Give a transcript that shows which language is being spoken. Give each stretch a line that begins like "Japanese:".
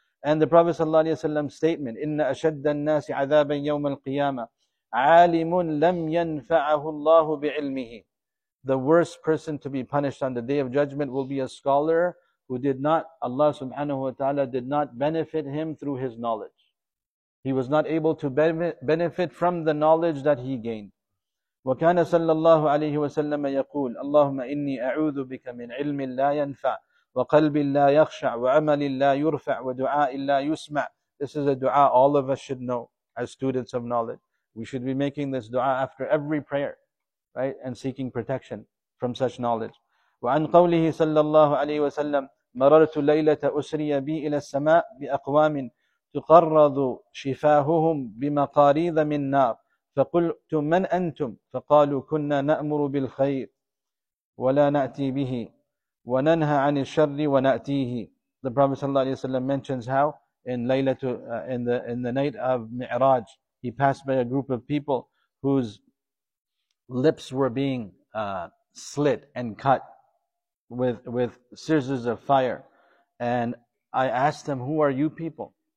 English: And the Prophet sallallahu alaihi wasallam's statement,
Arabic: inna ashadda an-nasi 'adaban yawm al-qiyamah عَالِمٌ لَمْ يَنْفَعَهُ اللَّهُ بِعِلْمِهِ.
English: The worst person to be punished on the Day of Judgment will be a scholar who did not, Allah subhanahu wa ta'ala did not benefit him through his knowledge. He was not able to benefit from the knowledge that he gained.
Arabic: وكان صلى الله عليه وسلم يقول اللهم إني أعوذ بك من علم لا ينفع وقلب لا يخشع وعمل لا يرفع ودعاء لا يسمع.
English: This is a dua all of us should know as students of knowledge. We should be making this dua after every prayer, right? And seeking protection from such knowledge.
Arabic: وعن قوله صلى الله عليه وسلم مررت ليلة أسري بي إلى السماء بأقوام تقرض شفاههم بمقاريض من نار فقلت من أنتم؟ فقالوا كنا نأمر بالخير ولا نأتي به وننهى عن الشر ونأتيه.
English: The Prophet صلى الله عليه وسلم mentions how in the night of Mi'raj he passed by a group of people whose lips were being slit and cut with scissors of fire, and I asked them, who are you people?